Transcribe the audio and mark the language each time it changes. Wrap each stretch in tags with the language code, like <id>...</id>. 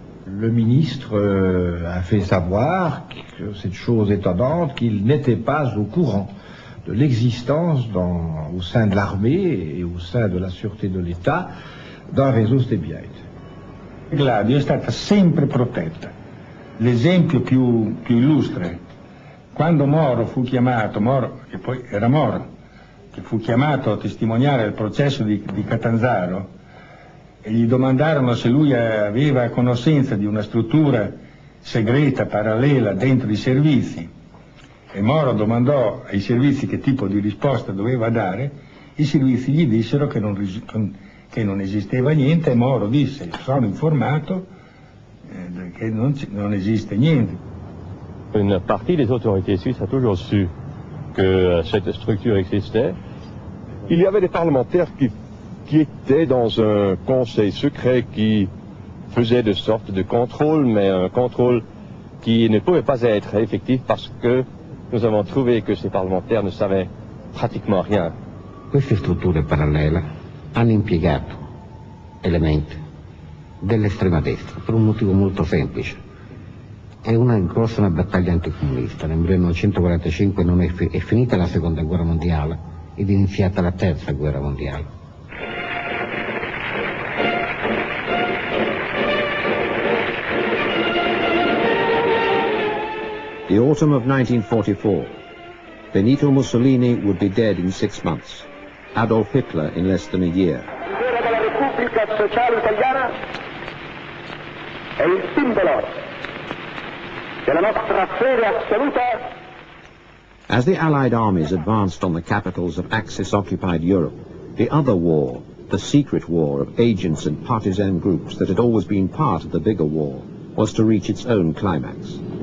<fr>Le ministre a fait savoir, que cette chose étonnante, qu'il n'était pas au courant de l'existence au sein de l'armée et au sein de la sûreté de l'État d'un réseau Stebiaid.</fr> <it>Gladio è stata sempre protetta. L'esempio più illustre, quando Moro fu chiamato, Moro, che poi era Moro, che fu chiamato a testimoniare il processo di Catanzaro, e gli domandarono se lui aveva conoscenza di una struttura segreta, parallela, dentro i servizi, e Moro domandò ai servizi che tipo di risposta doveva dare, i servizi gli dissero che non esisteva niente, e Moro disse, sono informato che non esiste niente.</it> <fr>Une partie des autorités suisses a toujours su que cette structure existait. Il y avait des parlementaires qui étaient dans un conseil secret qui faisait de sorte de contrôle, mais un contrôle qui ne pouvait pas être effectif parce que nous avons trouvé que ces parlementaires ne savaient pratiquement rien.</fr> <it>Queste strutture parallele hanno impiegato elementi dell'estrema destra per un motivo molto semplice. È una grossa una battaglia anticomunista. Nel 1945 non è finita la seconda guerra mondiale ed è iniziata la terza guerra mondiale.</it> <en>The autumn of 1944. Benito Mussolini would be dead in 6 months. Adolf Hitler in less than a year.</en> <it>La Repubblica Sociale Italiana è il simbolo della nostra fede assoluta.</it> <en>As the Allied armies advanced on the capitals of Axis-occupied Europe, the other war, the secret war of agents and partisan groups that had always been part of the bigger war, was to reach its own climax.</en>